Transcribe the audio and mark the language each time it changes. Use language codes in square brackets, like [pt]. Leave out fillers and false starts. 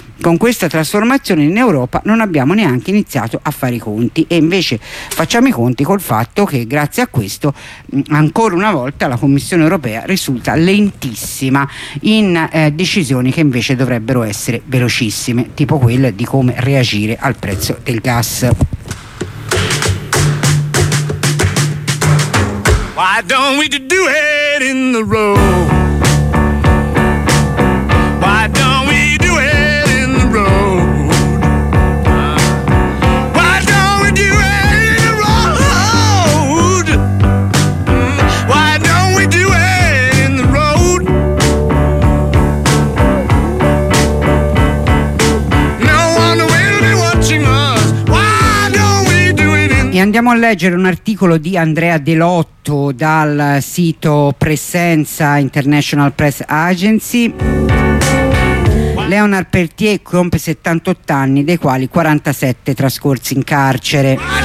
[it] Con questa trasformazione in Europa non abbiamo neanche iniziato a fare i conti, e invece facciamo i conti col fatto che grazie a questo ancora una volta la Commissione Europea risulta lentissima in decisioni che invece dovrebbero essere velocissime, tipo quella di come reagire al prezzo del gas. [en] Why don't we do it in the road? Why don't we do it in the road? Why don't we do it in the road? Why don't we do it in the road? No one will be watching us. Why don't we do it in the road? [it] E andiamo a leggere un articolo di Andrea Delotto dal sito Presenza International Press Agency. Leonard Peltier compie 78 anni, dei quali 47 trascorsi in carcere.